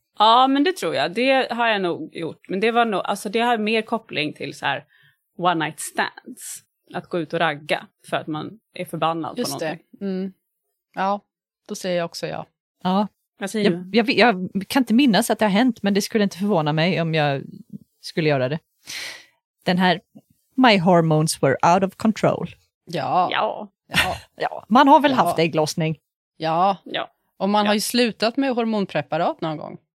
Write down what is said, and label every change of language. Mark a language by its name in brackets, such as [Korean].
[Swedish] Ja, men det tror jag, det har jag nog gjort, men det var nog, alltså det har mer koppling till så här [English] one night stands. [Swedish] Att gå ut och ragga för att man är förbannad. Just på någonting. Ja, då säger jag också ja. Ja. Vad säger du? Jag kan inte minnas att det har hänt, men det skulle inte förvåna mig om jag skulle göra det. Den här, [English] my hormones were out of control. [Swedish] Ja. Ja. Ja. Man har väl haft ägglossning? Ja. Ja. Och man har ju slutat med hormonpreparat någon gång.